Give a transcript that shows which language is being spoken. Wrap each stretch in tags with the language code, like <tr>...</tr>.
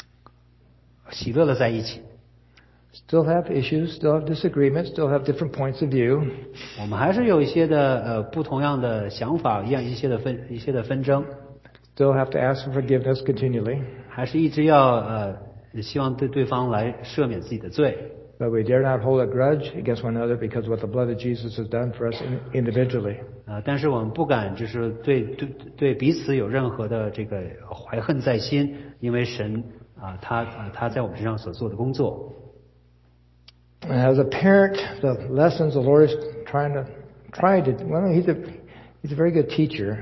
<zh>不仅我们没有离婚，我们现在还是非常喜乐的在一起。</zh> <en>Still have issues, still have disagreements, still have different points of view.</en> <zh>我们还是有一些的不同样的想法，一些的纷争。</zh> <en>Still have to ask for forgiveness continually.</en> <zh>还是一直要希望对对方来赦免自己的罪。</zh> <en>But we dare not hold a grudge against one another because of what the blood of Jesus has done for us individually.</en> <zh>但是我们不敢就是对彼此有任何的这个怀恨在心，因为神他在我们身上所做的工作。</zh> <en>As a parent, the lessons the Lord is he's a very good teacher.</en>